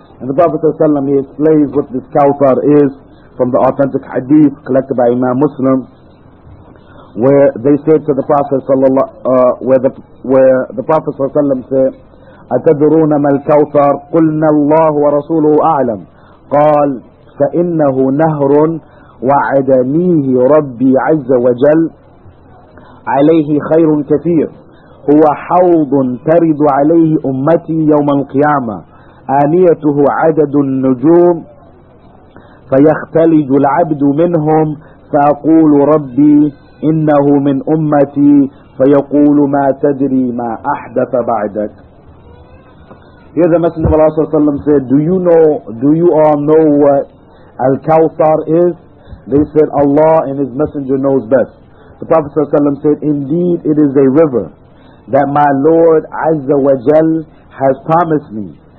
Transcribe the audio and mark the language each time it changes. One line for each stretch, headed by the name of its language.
English: And the Prophet sallallahu alayhi wa sallam explains what this Kawthar is from the authentic hadith collected by Imam Muslim, where they said to the Prophet where the Prophet sallallahu alayhi wa sallam said,
Arabic: أتدرون ما الكوثر؟ قلنا الله ورسوله أعلم. قال فإنه نهر وعدنيه ربي عز وجل عليه خير كثير هو حوض ترد عليه أمتي يوم القيامة آنيته عدد النجوم فيختلج العبد منهم فأقول ربي إنه من أمتي فيقول ما تدري ما أحدث بعدك.
English: Here the Messenger of Allah said, do you all know what Al-Kawthar is? They said, Allah and His Messenger knows best. The Prophet said, indeed it is a river that my Lord Azza wa Jal has promised me.